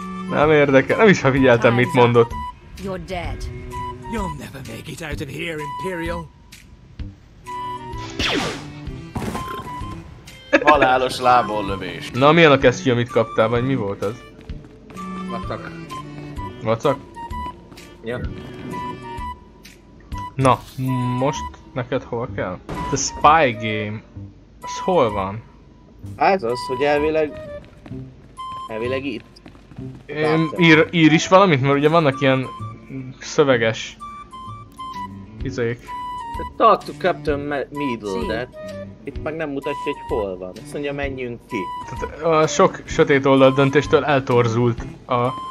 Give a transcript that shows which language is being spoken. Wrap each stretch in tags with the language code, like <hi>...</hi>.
<hu>Nem érdekel, nem is ha figyeltem, mit mondott.</hu> <en>You're dead. You'll never make it out of here, Imperial.</en> <hu>Halálos lábon lövés. Na, milyen a kesztyű, amit kaptál, vagy mi volt az? Vacak. Vacak? Ja. Na, most neked hova kell? The Spy Game, az hol van? Ez az, hogy elvileg itt. Ír is valamit, mert ugye vannak ilyen szöveges izék.</hu> <en>Talk to Captain Meadle-det.</en> <hu>Itt meg nem mutatja, hogy hol van. Azt mondja, menjünk ki. Tehát a sok sötét oldal döntéstől eltorzult a...</hu>